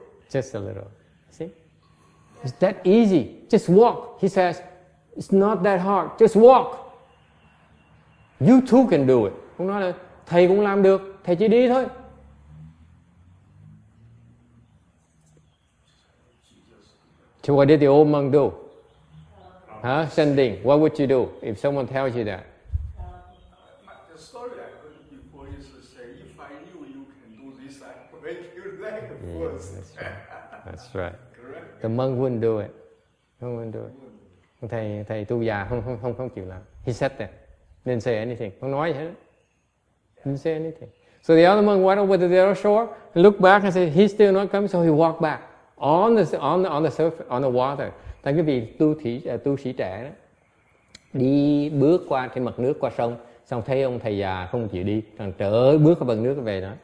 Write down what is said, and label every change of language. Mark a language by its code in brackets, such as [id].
[en] Just a little. See? Yeah. It's that easy. Just walk. He says, It's not that hard. Just walk. You too can do it. [vi] Ông nói là thầy cũng làm được, thầy chỉ đi thôi. [en] So what did the old monk do? Huh? Same thing. What would you do if someone tells you that? The story I heard before is to say, if I knew you can do this, I'd break your leg first. Yeah, that's right. That's right. The monk wouldn't do it. [vi] Không muốn [en] do it. [vi] Thầy tu già không chịu làm. [en] He said that. Didn't say anything. [vi] Không nói gì hết. [en] Didn't say anything. So the other monk went over to the other shore, looked back and said, he's still not coming, so he walked back. On the surface, on the water. [vi] Thành cái vị tu sĩ trẻ đó, đi bước qua trên mặt nước qua sông, xong thấy ông thầy già không chịu đi, thằng trở bước vào bằng nước về đó.